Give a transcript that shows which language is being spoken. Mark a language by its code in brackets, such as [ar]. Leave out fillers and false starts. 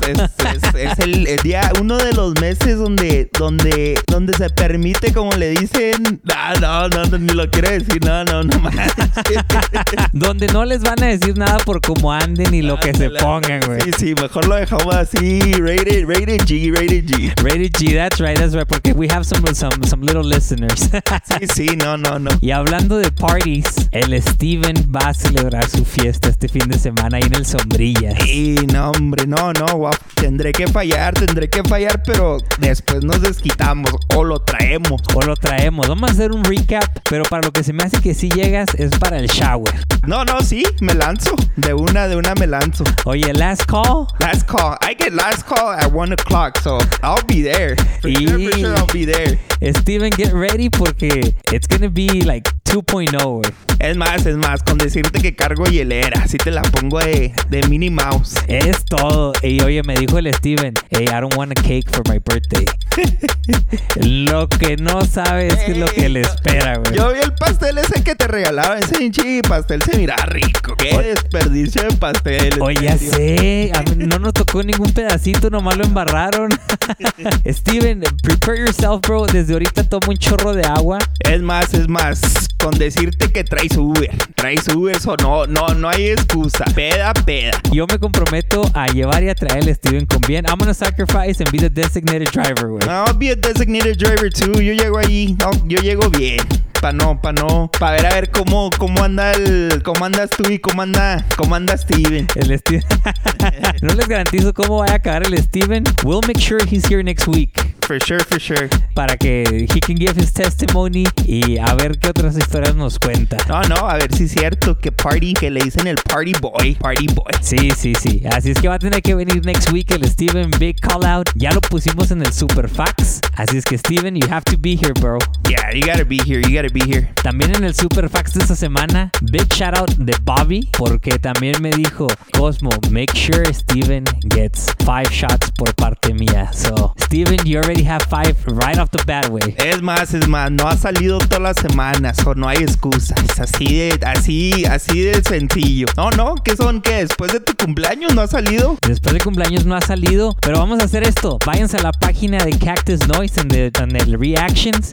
[es] Es el día, uno de los meses donde se permite, como le dicen, no, ni lo quiero decir, no manches. Donde no les van a decir nada por cómo anden y lo que se pongan, güey. Sí, mejor lo dejamos así, rated G. [en] Rated G, that's right, porque we have some little listeners. [es] Sí, no. Y hablando de parties, el Steven va a celebrar su fiesta este fin de semana ahí en el Sombrillas. Sí, no, hombre, no, guapo. Tendré que fallar, pero después nos desquitamos o lo traemos. Vamos a hacer un recap, pero para lo que se me hace que sí llegas es para el shower. No, sí, me lanzo. De una me lanzo. [en] Oye, last call. Last call. I get last call at 1:00, so I'll be there. For sure, I'll be there. Steven, get ready porque it's gonna be like 2.0. [es] Es más, con decirte que cargo hielera, así te la pongo de Minnie Mouse. Es todo. Y oye, me dijo el Steven, [en] hey, I don't want a cake for my birthday. [es] Lo que no sabe es lo que le espera, güey. Yo vi el pastel ese que te regalaba, ese hinchi pastel, se mira rico. Qué desperdicio de pastel. Oye, ya sé, a mí no nos tocó ningún pedacito, nomás lo embarraron. Steven, [en] prepare yourself, bro. [es] Desde ahorita toma un chorro de agua. Es más, con decirte que traes Uber, eso no hay excusa. Peda. Yo me comprometo a llevar y a traer a Steven con bien. [en] I'm gonna sacrifice and be the designated driver, güey. I'll be a designated driver too. [es] Yo llego allí. No, yo llego bien. Para ver cómo anda el. Cómo andas tú y cómo anda Steven. El Steven. No les garantizo cómo va a acabar el Steven. [en] We'll make sure he's here next week. For sure. [es] Para que [en] he can give his testimony [es] y a ver qué otras historias nos cuenta. No, a ver si es cierto que party, que le dicen el party boy. [en] Party boy. [es] Sí. Así es que va a tener que venir next week el Steven. [en] Big call out. [es] Ya lo pusimos en el Super Fax. Así es que Steven, [en] you have to be here, bro. Yeah, you gotta be here. [es] También en el Super Fax de esta semana, [en] big shout out [es] de Bobby, porque también me dijo, Cosmo, [en] make sure Steven gets 5 shots [es] por parte mía. [en] So, Steven, you already have 5 right off the bat way. [es] Es más, no ha salido toda la semana, so no hay excusas. Así de sencillo. No, ¿qué son? ¿Qué? ¿Después de tu cumpleaños no ha salido? Después de cumpleaños no ha salido, pero vamos a hacer esto. Váyanse a la página de Cactus Noize en el Reactions.